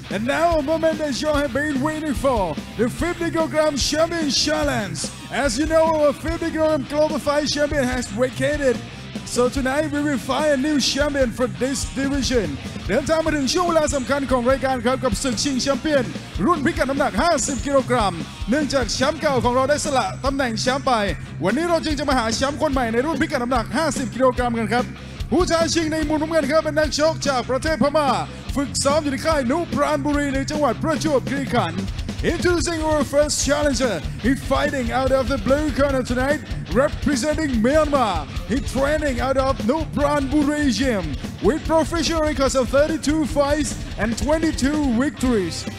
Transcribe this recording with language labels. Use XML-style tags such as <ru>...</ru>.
<en>And now a moment that you have been waiting for, the 50 kilogram Shaman Challenge. As you know, our 50 kilogram Clubify Shaman has vacated. So tonight we will find a new champion for this division.</en> <th>เดินทางมาถึงช่วงเวลาสำคัญของรายการครับกับศึกชิงแชมเปี้ยนรุ่นพิกัดน้ำหนัก50กิโลกรัมเนื่องจากแชมป์เก่าของเราได้สละตำแหน่งแชมป์ไปวันนี้เราจึงจะมาหาแชมป์คนใหม่ในรุ่นพิกัดน้ำหนัก50กิโลกรัมกันครับผู้ท้าชิงในมุมน้ำเงินครับเป็นนักชกจากประเทศพม่าฝึกซ้อมอยู่ที่ค่ายนุปราณบุรีในจังหวัดประจวบคีรีขันธ์</th> <en>Introducing our first challenger. He's fighting out of the blue corner tonight. Representing Myanmar, he's training out of Nuprang Buri Gym with professional records of 32 fights and 22 victories.</en>